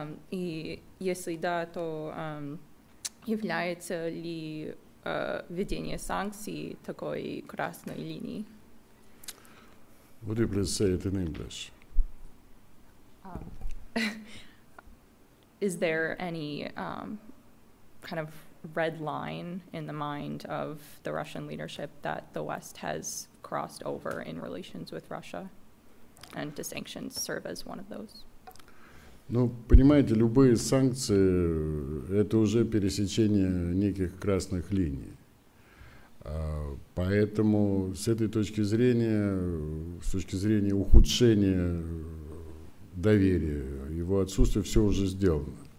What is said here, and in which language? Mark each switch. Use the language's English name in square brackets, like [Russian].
[Russian] И если да, то является ли введение санкций такой красной линии? [English] What do you please say it in English? Is there any kind of red line in the mind of the Russian leadership that the West has crossed over in relations with Russia? And do sanctions serve as one of those? [Russian] Ну, понимаете, любые санкции – это уже пересечение неких красных линий. Поэтому с этой точки зрения, с точки зрения ухудшения доверия, его отсутствия, все уже сделано.